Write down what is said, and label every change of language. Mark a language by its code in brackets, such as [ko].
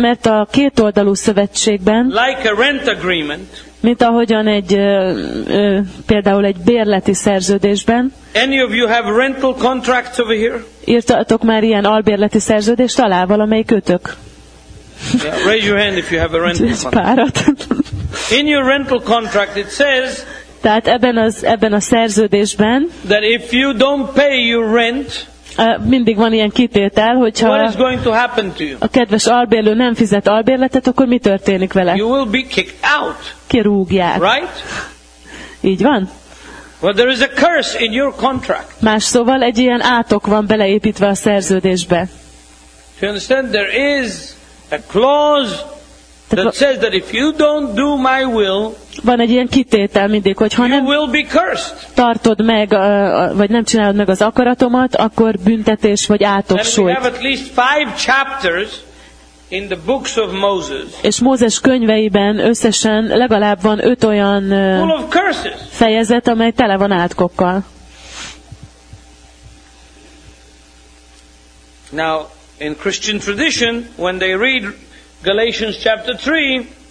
[hu] Mert a két oldalú szövetségben, [en] like a rent agreement, [hu] mint ahogyan egy például egy bérleti szerződésben. [en] Any of you have rental contracts over here? [hu] Írtatok már ilyen albérleti szerződést alá valamelyikőtök? [en] Yeah, raise your hand if you have a rental contract. [hu] Párat. [en] In your rental contract it says, [hu] tehát ebben a szerződésben, [en] that if you don't pay your rent, [hu] mindig van ilyen kitétel, hogyha a kedves albérlő nem fizet albérletet, akkor mi történik vele? [en] You will be kicked out. [hu] Kirúgják. [en] Right? [hu] Így van. [en] Well, there is a curse in your contract. [hu] Más szóval egy ilyen átok van beleépítve a szerződésbe. [en] Do you understand? There is a clause That says that if you don't do my will, [hu] van egy ilyen kitétel mindig, hogy ha nem tartod meg, vagy nem csinálod meg az akaratomat, akkor büntetés vagy átok súlyt. [en] Have at least five chapters in the books of Moses. [hu] És Mózes könyveiben összesen legalább van öt olyan fejezet, amely tele van átkokkal. [en] Now, in Christian tradition, when they read Galatians chapter 3,